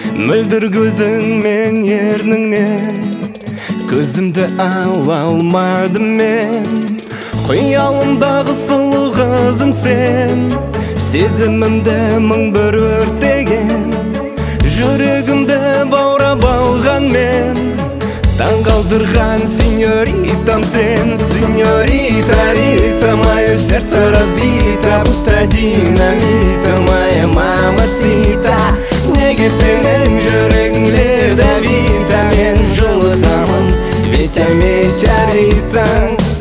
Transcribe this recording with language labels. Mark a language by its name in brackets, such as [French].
[Kazakh] Мөлдір көзің мен ерніңнен көзімді ала алмадым мен. Қиялымдағы сұлу қызым сен, сезімімді мың бір өртеген. Жүрегімді баурап алған мен, таңғалдырған сеньоритам сен. [Russian] Сеньорита Рита, мое сердце разбито, будто динамита, моя мама сита. [Kazakh] Неге сенің жүрегің ледовита, мен жылытамын [Russian] ветер метеоритам.